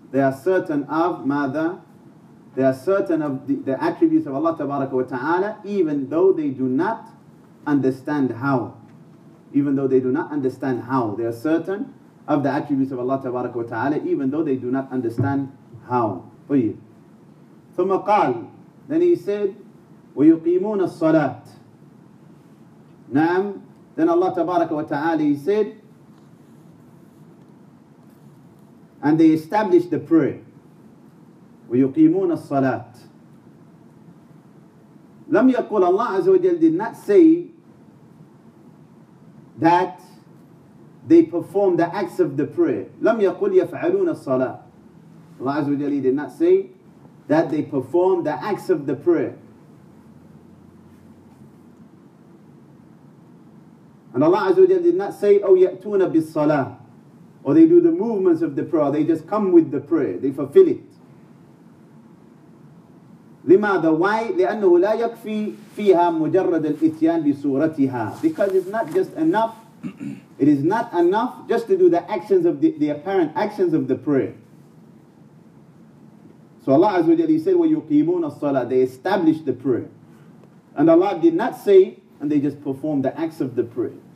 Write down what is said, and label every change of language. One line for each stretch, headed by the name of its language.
English: They are certain of
Arabic: ماذا?
English: They are certain of the attributes of Allah tabaraka wa ta'ala, even though they do not understand how. Even though they do not understand how, they are certain of the attributes of Allah tabaraka wa ta'ala, even though they do not understand how.
Arabic: ثم قال,
English: then he said,
Arabic: ويقيمون الصلاة. نعم.
English: Then Allah tabaraka wa ta'ala, he said, and they established the prayer.
Arabic: ويقيمون الصلاة. لم يقول,
English: Allah عز وجل did not say that they perform the acts of the prayer.
Arabic: لم يقل يفعلون الصلاة.
English: Allah Azza wa Jalla did not say that they perform the acts of the prayer. And Allah Azza wa Jalla did not say
Arabic: أو يأتون بالصلاة.
English: Or they do the movements of the prayer. They just come with the prayer. They fulfill it.
Arabic: لماذا?
English: Why?
Arabic: لأنه لا يكفي فيها مجرد الإتيان بصورتها.
English: Because it's not just enough. It is not enough just to do the actions of the apparent actions of the prayer. So Allah Azza wa Jalla said,
Arabic: وَيُقِيمُونَ الصَّلَاةِ.
English: They established the prayer. And Allah did not say, and they just performed the acts of the prayer.